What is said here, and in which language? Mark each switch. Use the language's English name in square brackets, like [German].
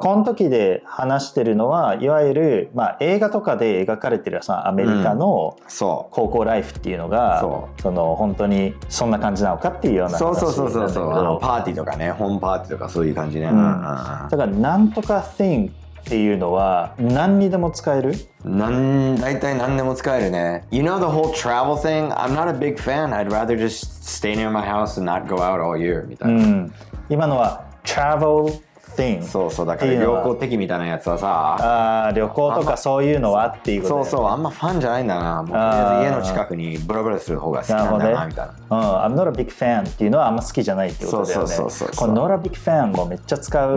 [Japanese] この時で話してるのはいわゆる、まあ、映画とかで描かれてるさ、アメリカの高校ライフっていうのが、うん、その本当にそんな感じなのかっていうような話なんだけど、そうそうそうそう、あのパーティーとかね、ホームパーティーとかそういう感じね、うんうん、だからなんとか thingっていうのは何にでも使える？ [English] 大体何でも使えるね。You know the whole travel thing? I'm not a big fan. I'd rather just stay near my house and not go out all year. [Japanese] みたいな。うん、今のは travel thing。そうそう、だから旅行的みたいなやつはさ。ああ、旅行とかそういうのはっていうことだよ、ね。そうそう、あんまファンじゃないんだな。もう家の近くにブラブラする方が好きなんだなみたいな。うん、 [English] I'm not a big fan [Japanese] っていうのはあんま好きじゃないってことだよね。そうそうそうそう。この not a big fan もめっちゃ使う